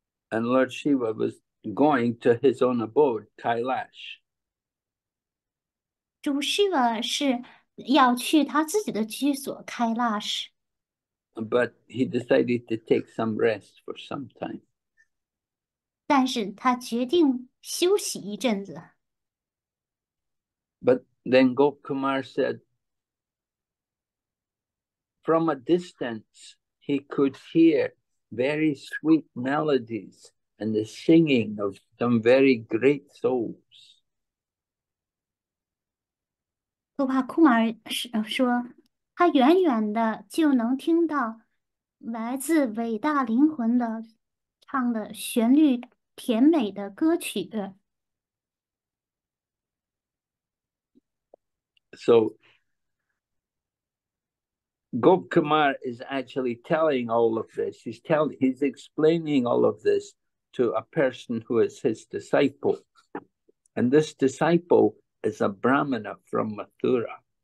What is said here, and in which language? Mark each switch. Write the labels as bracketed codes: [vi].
[en] And Lord Shiva was going to his own abode, Kailash. [zh] 主 Shiva 是要去他自己的居所 Kailash。 [en] But he decided to take some rest for some time. [zh] 但是他决定休息一阵子。 [en] But then Gopkumar said, from a distance, he could hear very sweet melodies and the singing of some very great souls. [zh] 多帕库马尔说，他远远的就能听到来自伟大灵魂的唱的旋律甜美的歌曲。 [en] So, Gopkumar is actually telling all of this. He's explaining all of this to a person who is his disciple. And this disciple is a Brahmana from Mathura.